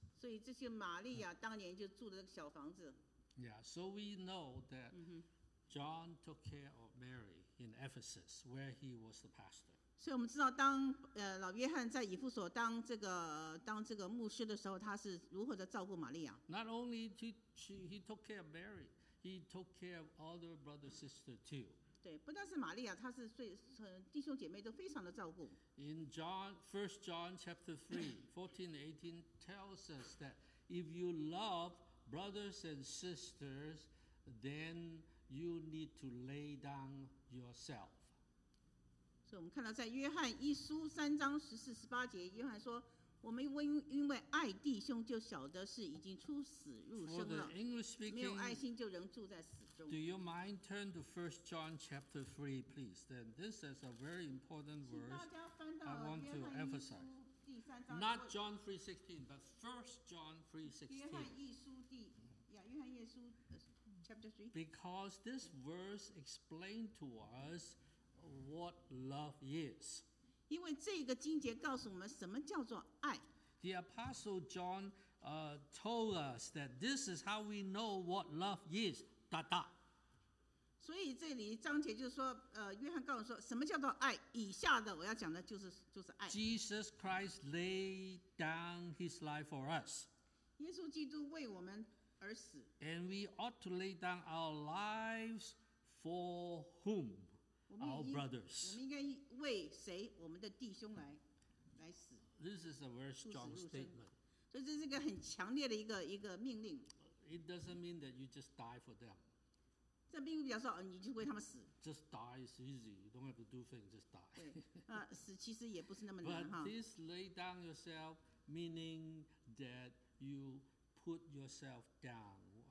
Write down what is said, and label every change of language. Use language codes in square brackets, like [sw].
[zh] 所以这些玛利亚当年就住的这个小房子。 [en] Yeah, so we know that John took care of Mary in Ephesus, where he was the pastor. [zh] 所以我们知道当、老约翰在以弗所当这个当这个牧师的时候他是如何的照顾玛利亚。 [en] Not only he took care of Mary, he took care of other brother sister too. [zh] 对，不但是玛利亚，他是最弟兄姐妹都非常的照顾。 [en] In John, 1 John chapter 3:14-18 tells us that if you love brothers and sisters, then you need to lay down yourself. [zh] 所以我们看到在约翰一书三章十四十八节，约翰说：“我们因为爱弟兄，就晓得是已经出死入生了。 [en] Speaking, [zh] 没有爱心，就仍住在死中。” [en] Do you mind turn to 1 John chapter 3, please? Then this is a very important verse. [zh] 请大家翻到 [en] I want to emphasize. [zh] 第三章 [en] Not John 3:16, but 1 John 3:16. [zh] 约翰一书第约翰一书 [en] chapter 3. Because this verse explained to us. What love is. [zh] 因为这个经节告诉我们什么叫做爱。 [en] The Apostle John told us that this is how we know what love is. 哒哒。 [zh] 所以这里章节就是说，约翰告诉说什么叫做爱。以下的我要讲的就是爱。 [en] Jesus Christ laid down his life for us. [zh] 耶稣基督为我们而死。 [en] And we ought to lay down our lives for whom? Our brothers. [zh] 我们应该为谁？我们的弟兄来死。 [en] This is a very strong statement. [zh] 所以这是一个很强烈的一个命令。 [en] It doesn't mean that you just die for them. [zh] 这并不表示你就为他们死。 [en] Just die is easy. You don't have to do things. Just die. [zh] 对，死其实也不是那么难。 [en] But this lay down yourself, meaning that you put yourself down.